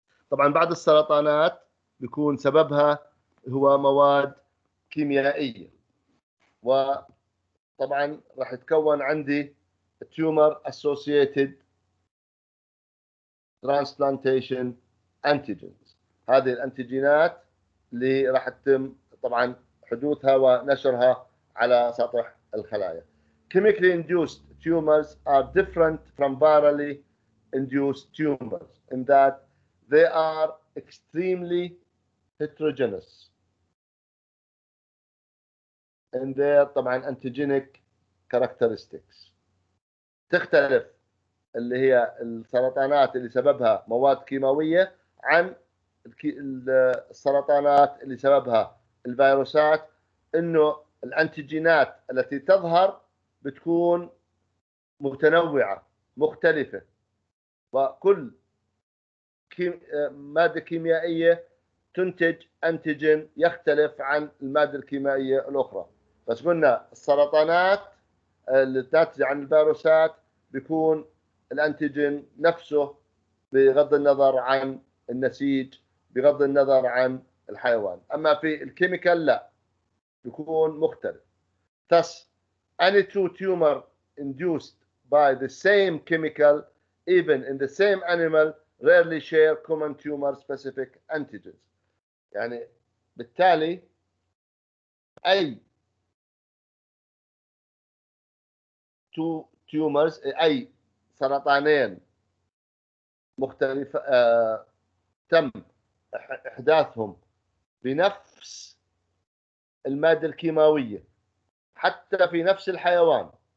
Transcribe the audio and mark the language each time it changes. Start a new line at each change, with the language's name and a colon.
Arabic: طبعا بعض السرطانات بيكون سببها هو مواد كيميائيه، وطبعا راح يتكون عندي
English: tumor associated transplantation antigens.
Arabic: هذه الانتيجينات اللي راح تتم طبعا حدوثها ونشرها على سطح الخلايا.
English: chemically induced tumors are different from virally induced tumors in that they are extremely heterogeneous in their
Arabic: طبعا
English: antigenic characteristics.
Arabic: تختلف اللي هي السرطانات اللي سببها مواد كيماوية عن السرطانات اللي سببها الفيروسات، انه الانتيجينات التي تظهر بتكون متنوعة مختلفة، وكل مادة كيميائية تنتج انتيجين يختلف عن المادة الكيميائية الاخرى. بس قلنا السرطانات اللي تنتج عن الفيروسات بيكون الأنتيجين نفسه بغض النظر عن النسيج، بغض النظر عن الحيوان. أما في الكيميكال لا، بيكون مختلف.
English: Thus, any two tumor induced by the same chemical, even in the same animal, rarely share common tumor-specific antigens.
Arabic: يعني بالتالي أي
English: two tumors,
Arabic: أي سرطانين مختلف تم إحداثهم بنفس المادة الكيماوية حتى في نفس الحيوان،